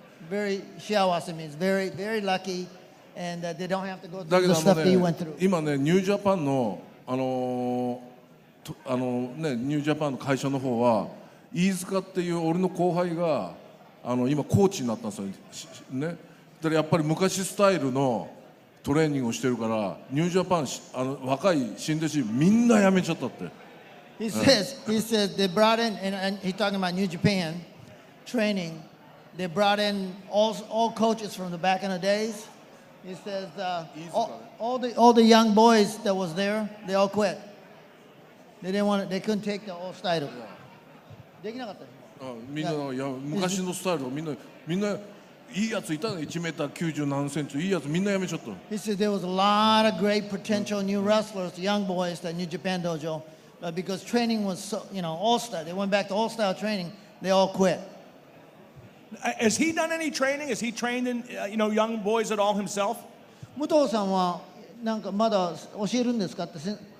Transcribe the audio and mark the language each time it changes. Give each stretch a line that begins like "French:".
English: Very 幸せ means very, very lucky, and they don't have to go through the stuff that you went through.
Japanese: 今ね、ニュージャパンの、ね、ニュージャパンの会社の方は飯塚っていう俺の後輩が今コーチになったんですよ、ね、だからやっぱり昔スタイルのトレーニングをしてるからニュージャパン若い新弟子みんな辞めちゃったって。
English: He says, he says they brought in, and he's talking about New Japan training. They brought in all coaches from the back in the days. He says all the young boys that was there, they all quit. They didn't want it, they couldn't take the old style.
Japanese: できなかった。みんな、いや、昔のスタイルをみんな、いいやついたね、1メーター90何センチ、いいやつみんなやめちゃった。
English: He said there was a lot of great potential new wrestlers, young boys, at New Japan Dojo. But because training was so, you know, all style, they went back to all style training, they all quit. Has he done any training? Has he trained in, you know, young boys at all himself?
Japanese: Muto-san wa nanka mada oshieru desu ka tte